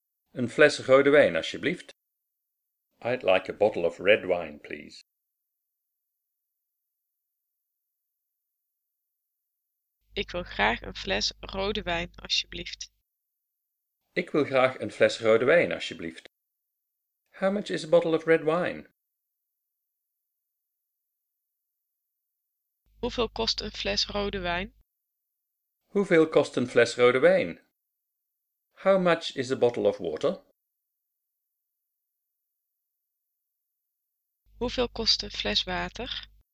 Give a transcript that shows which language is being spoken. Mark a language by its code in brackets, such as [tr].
[nl] Een fles rode wijn, alsjeblieft. [en] I'd like a bottle of red wine, please. [nl] Ik wil graag een fles rode wijn, alsjeblieft. Ik wil graag een fles rode wijn, alsjeblieft. [en] How much is a bottle of red wine? [nl] Hoeveel kost een fles rode wijn? Hoeveel kost een fles rode wijn? [en] How much is a bottle of water? [nl] Hoeveel kost een fles water?